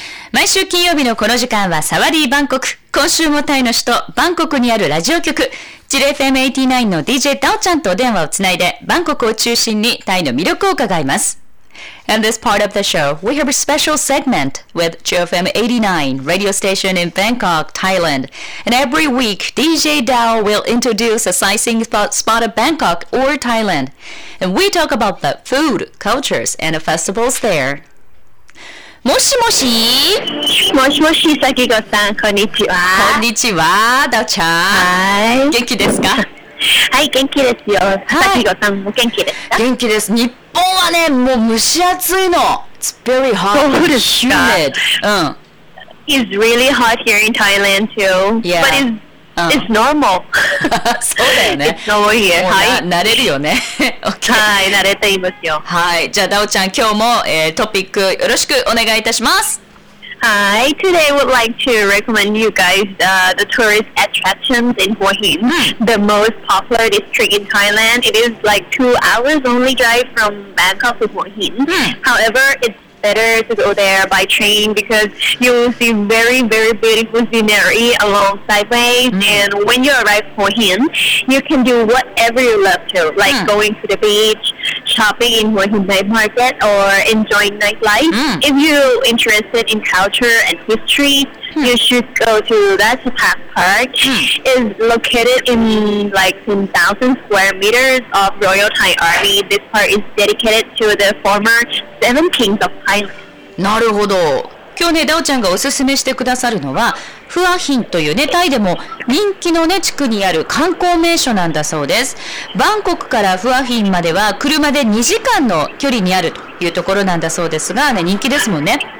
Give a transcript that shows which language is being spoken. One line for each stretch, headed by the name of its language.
Japanese: 毎週金曜日のこの時間はサワディーバンコク、今週もタイの首都バンコクにあるラジオ局ジレ FM89 の DJ ダオちゃんと電話をつないで、バンコクを中心にタイの魅力を伺います。
English: In this part of the show, we have a special segment with JFM89 radio station in Bangkok, Thailand. And every week, DJ Dao will introduce a sightseeing spot of Bangkok or Thailand. And we talk about the food, cultures, and the festivals there.
Japanese: もしもし、もしもし、さきごさん、こんにちは。こんにちは、ダオちゃん。はい。元気ですか？はい、元気ですよ。さきごさんも元気ですか？元気です。日本はね、もう蒸し暑いの。
English: It's very hot.
Japanese: そうですか。
English: Humid. うん。 It's really hot here in Thailand too. Yeah. But it's,、it's normal.
Japanese: そうだよね。
English: It's normal here.
Japanese: もう、はい、慣れるよね。 Okay. はい、慣れていますよ。はい、じゃあダオちゃん、今日も、トピックよろしくお願いいたします。
English: はい、Today I would like to recommend you guys、the tourist attractions in Hua Hin、the most popular district in Thailand. It is like 2 hours only drive from Bangkok to Hua Hin、However, it's better to go there by train because you will see very very beautiful scenery along sideways、and when you arrive in Hua Hin, you can do whatever you love to, like、going to the beachShopping in Hua Hin Night Market or enjoying nightlife.、If you're interested in culture and history,、you should go to Ratchathon Park.、It's located in like 10,000 square meters of Royal Thai Army. This park is dedicated to the former Seven Kings of Thailand.
Japanese: なるほど。今日ね、ダオちゃんがおすすめしてくださるのは、フアヒンというね、タイでも人気のね、地区にある観光名所なんだそうです。バンコクからフアヒンまでは車で2時間の距離にあるというところなんだそうですが、ね、人気ですもんね。